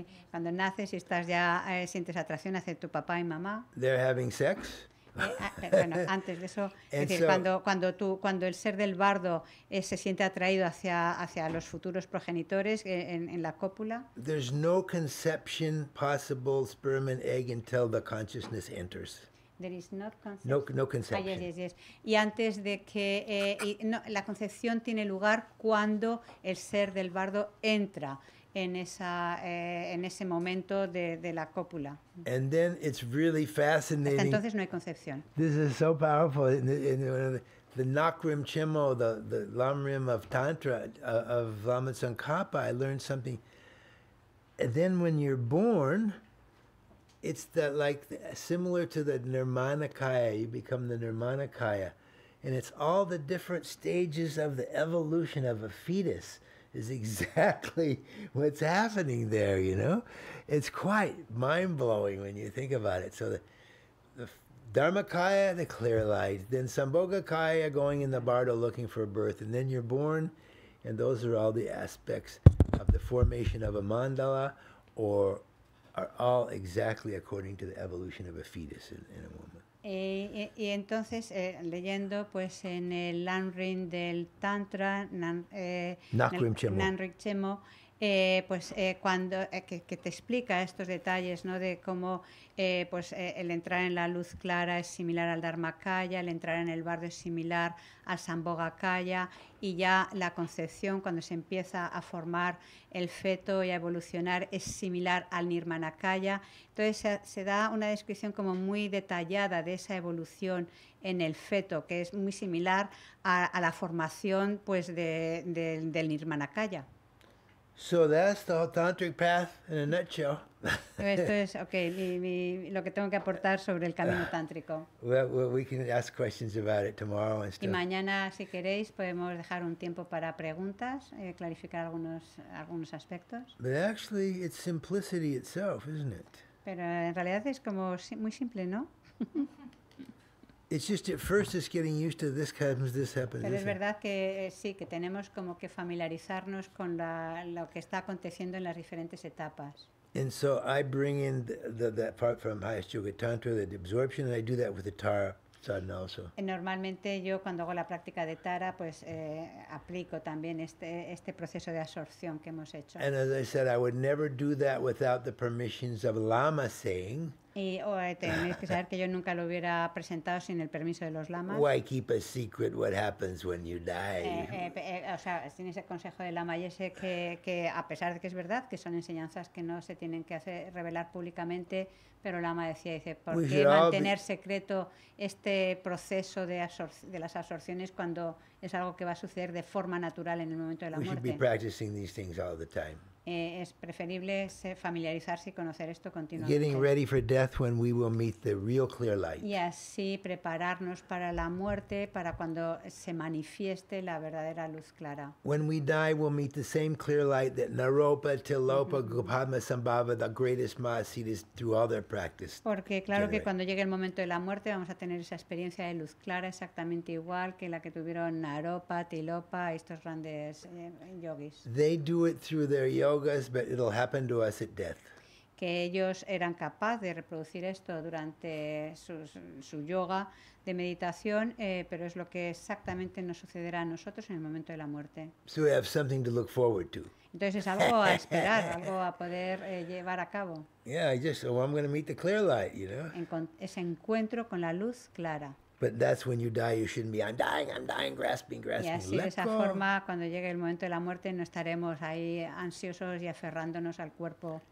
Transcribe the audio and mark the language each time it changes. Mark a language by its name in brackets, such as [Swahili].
[Spanish] Cuando naces y estás ya, sientes atracción hacia tu papá y mamá. [English] They're having sex. [Spanish] Bueno, antes de eso, es decir, cuando el ser del bardo se siente atraído hacia los futuros progenitores en la cópula. [English] There's no conception possible, sperm and egg, until the consciousness enters. There is not conception. No conception. Ah, yes. [Spanish] Y antes de que la concepción tiene lugar cuando el ser del bardo entra en esa en ese momento de la cópula. [English] And then it's really fascinating. [Spanish] Hasta entonces no hay concepción. [English] This is so powerful. The Nakrim Chimo, the Lamrim of Tantra of Lama Tsongkhapa, I learned something. And then when you're born, it's that like similar to the Nirmanakaya. You become the Nirmanakaya, and it's all the different stages of the evolution of a fetus. Is exactly what's happening there, you know? It's quite mind-blowing when you think about it. So the Dharmakaya, the clear light, then Sambhogakaya, going in the bardo looking for birth, and then you're born, and those are all the aspects of the formation of a mandala, or are all exactly according to the evolution of a fetus in a woman. [Spanish] Y entonces, leyendo, pues en el Lamrim del Tantra, Nanrik Chemo, que te explica estos detalles, ¿no? De cómo el entrar en la luz clara es similar al Dharmakaya, el entrar en el bardo es similar al Sambhogakaya, y ya la concepción, cuando se empieza a formar el feto y a evolucionar, es similar al Nirmanakaya. Entonces se da una descripción como muy detallada de esa evolución en el feto, que es muy similar a la formación pues del Nirmanakaya. [English] So that's the whole tantric path in a nutshell. [Spanish] Esto es, okay, lo que tengo que aportar sobre el camino tántrico. [English] Well, we can ask questions about it tomorrow and stuff. [Spanish] Y mañana, si queréis, podemos dejar un tiempo para preguntas, clarificar algunos aspectos. [English] But actually, it's simplicity itself, isn't it? [Spanish] Pero en realidad es como muy simple, ¿no? [English] It's just at first it's getting used to this happens, this happens. [Spanish] Pero es verdad que sí, que tenemos como que familiarizarnos con lo que está aconteciendo en las diferentes etapas. [English] And so I bring in that part from Highest Yoga Tantra, the absorption, and I do that with the Tara Sadhana also. [Spanish] Normalmente yo cuando hago la práctica de Tara, pues aplico también este proceso de absorción que hemos hecho. [English] And as I said, I would never do that without the permissions of Lama saying. [Spanish] Y tenéis que saber que yo nunca lo hubiera presentado sin el permiso de los lamas. [English] Why keep a secret what happens when you die? [Spanish] O sea, sin ese consejo de lama, y ese que a pesar de que es verdad que son enseñanzas que no se tienen que hacer revelar públicamente, pero lama dice, ¿por qué mantener secreto este proceso de las absorciones cuando es algo que va a suceder de forma natural en el momento de la [English] we [Spanish] muerte? [English] We should be practicing these things all the time. [Spanish] Es preferible familiarizarse y conocer esto continuamente. [English] Getting ready for death when we will meet the real clear light. [Spanish] Y así prepararnos para la muerte, para cuando se manifieste la verdadera luz clara. [English] When we die, we'll meet the same clear light that Naropa, Tilopa, Gopadmasambhava, the greatest Mahasiddhas, through all their practice. [Spanish] Porque claro que cuando llegue el momento de la muerte vamos a tener esa experiencia de luz clara exactamente igual que la que tuvieron Naropa, Tilopa, estos grandes yogis. [English] They do it through their yogas, but it'll happen to us at death. [Spanish] Que ellos eran capaces de reproducir esto durante su yoga de meditación, pero es lo que exactamente nos sucederá a nosotros en el momento de la muerte. [English] So we have something to look forward to. [Spanish] Entonces es algo a esperar, algo a poder llevar a cabo. [English] Yeah, I'm going to meet the clear light, you know. [Spanish] Ese encuentro con la luz clara. [English] But that's when you die. You shouldn't be. I'm dying, grasping. [Spanish] Y así de esa forma, cuando llegue el momento de la muerte, no estaremos ahí ansiosos y aferrándonos al cuerpo.